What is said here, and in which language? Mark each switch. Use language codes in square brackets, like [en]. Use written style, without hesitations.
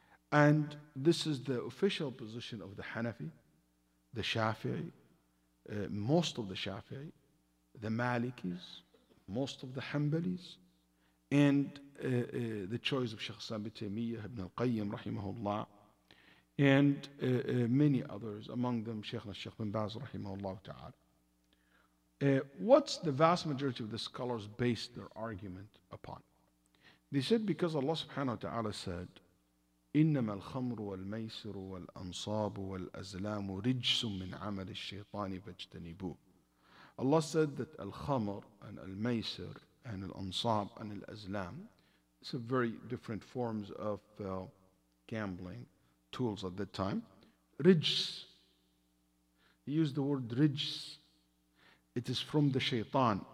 [en] And this is the official position of the Hanafi, the Shafi'i, most of the Shafi'i, the Malikis, most of the Hanbalis, and the choice of Shaykh Sami Taymiyyah ibn al-Qayyim, rahimahullah, and many others, among them Shaykhna Shaykh bin Baz, rahimahullah ta'ala. What's the vast majority of the scholars base their argument upon? [ar] They said because Allah subhanahu wa ta'ala said, إِنَّمَا الْخَمْرُ وَالْمَيْسِرُ وَالْأَنصَابُ وَالْأَزْلَامُ رِجْسٌ مِّنْ عَمَلِ الشَّيْطَانِ فَاجْتَنِبُوهُ. [en] Allah said that al-khamr and al-maysir and al-ansab and al-azlam, it's a very different forms of gambling tools at that time. Rijs. He used the word rijs. It is from the shaytan.